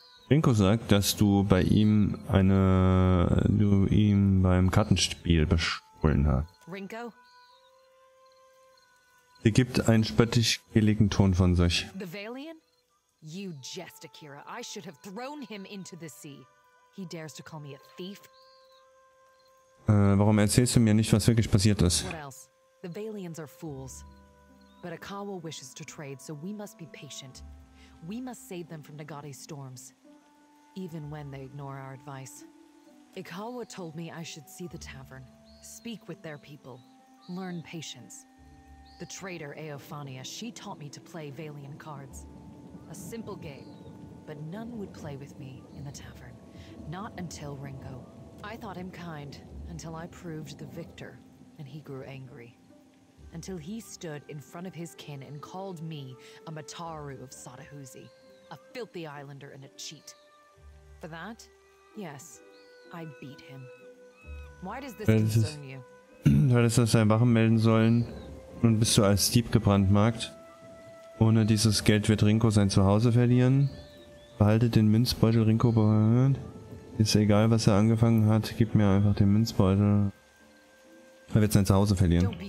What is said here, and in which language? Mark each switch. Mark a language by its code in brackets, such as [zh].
[de] Rinko sagt, dass du bei ihm beim Kartenspiel bestohlen hast. Rinko? Sie gibt einen spöttisch geligen Ton von sich. [en] The Valian? You jest, Akira. I should have thrown him into the sea. He dares to call me a thief. [de] Warum erzählst du mir nicht, was wirklich passiert ist? [en] The Valians are fools. But Akawa wishes to trade, so we must be patient. We must save them from Nagati's storms. Even when they ignore our advice. Akawa told me I should see the tavern. Speak with their people. Learn patience. The trader, Eofania, she taught me to play Valian cards. A simple game. But none would play with me in the tavern. Not until Rinko. I thought him kind. Until I proved the victor, and he grew angry. Until he stood in front of his kin and called me a Mataru of Sadahuzi, a filthy islander and a cheat. For that, yes, I beat him. Why does this concern you? [de] Hättest du seine Wachen melden sollen, nun bist du als Dieb gebrandmarkt. Ohne dieses Geld wird Rinko sein Zuhause verlieren. Behalte den Münzbeutel, Rinko behalten. Ist egal, was er angefangen hat, gib mir einfach den Münzbeutel. Er wird sein Zuhause verlieren.